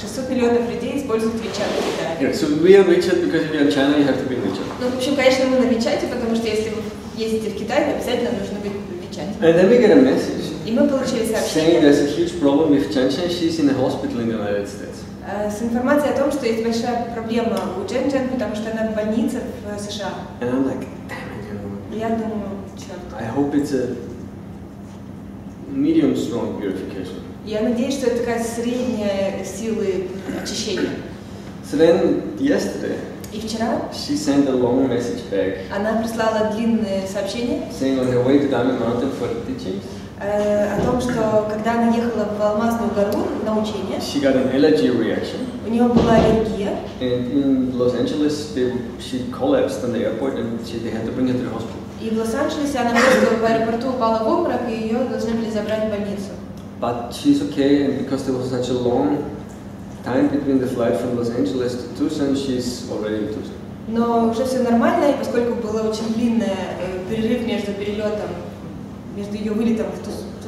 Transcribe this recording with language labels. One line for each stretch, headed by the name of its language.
Russian: миллионов людей используют WeChat в Китае.
English: Yeah, so we are WeChat because if you're in China, you have to be in WeChat.
Russian: Ну, в общем, конечно, мы на WeChat, потому что если вы ездите в Китай, то обязательно нужно быть в WeChat.
English: And then we get a message.
Russian: И мы получили сообщение.
English: Saying there's a huge problem with Chen, she's in a hospital in the United States.
Russian: С информацией о том, что есть большая проблема у Chen, потому что она в больнице в США.
English: And I'm like, damn it,
Russian: я думаю, черт.
English: I hope it's a medium strong purification.
Russian: Я надеюсь, что это такая средняя силы очищения.
English: So then yesterday.
Russian: И вчера.
English: She sent a long message back.
Russian: Она прислала длинное сообщение.
English: Saying on her way to Diamond Mountain for teachings.
Russian: О том, что когда она ехала в Алмазную гору на учение.
English: She got an allergy reaction.
Russian: У нее была аллергия.
English: And in Los Angeles, she collapsed on the airport, and they had to bring her to the hospital.
Russian: И в Лос-Анджелесе она просто в аэропорту упала в обморок, и ее должны были забрать в больницу.
English: But she's okay, and because there was such a long time between the flight from Los Angeles to Tucson, she's already in Tucson.
Russian: Но уже все нормально, и поскольку был очень длинный перерыв между перелетом, между ее вылетом в Тусон.